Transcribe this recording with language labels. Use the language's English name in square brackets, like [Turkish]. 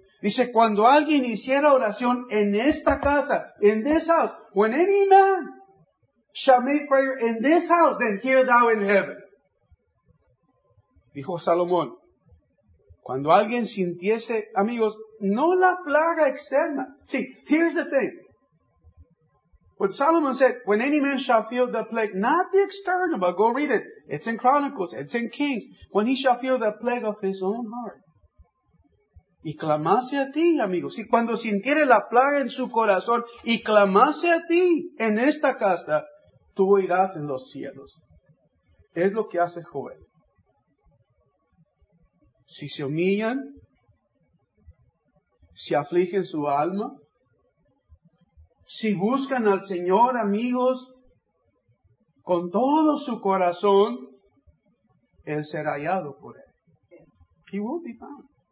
[Spanish] Dice, cuando alguien hiciera oración en esta casa, [English] in this house, when any man shall make prayer in this house, then hear thou in heaven. [Spanish] Dijo Salomón, cuando alguien sintiese, amigos, no la plaga externa. [English] See, here's the thing. What Solomon said, when any man shall feel the plague, not the external, but go read it. It's in Chronicles, it's in Kings. When he shall feel the plague of his own heart. [Spanish] Y clamase a ti, amigos. Y cuando sintiere la plaga en su corazón, y clamase a ti en esta casa, tú irás en los cielos. Es lo que hace Joel. Si se humillan, si afligen su alma, si buscan al Señor, amigos, con todo su corazón, Él será hallado por Él. [English] He will be found.